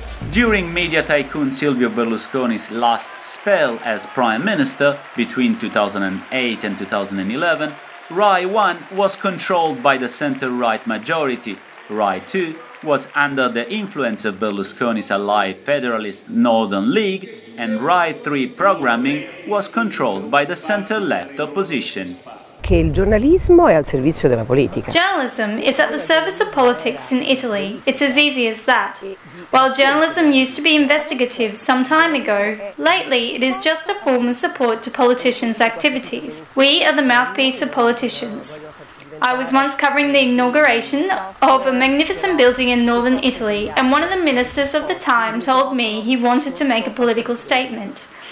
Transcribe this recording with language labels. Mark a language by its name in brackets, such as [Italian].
[English] During media tycoon Silvio Berlusconi's last spell as Prime Minister, between 2008 and 2011, Rai 1 was controlled by the centre-right majority. Rai 2 was under the influence of Berlusconi's allied federalist Northern League, and Rai 3 programming was controlled by the centre-left opposition. [Italian] Che il giornalismo è al servizio della politica. [English] Journalism is at the service of politics in Italy. It's as easy as that. While journalism used to be investigative some time ago, lately it is just a form of support to politicians' activities. We are the mouthpiece of politicians. I was once covering the inauguration of a magnificent building in northern Italy, and one of the ministers of the time told me he wanted to make a political statement.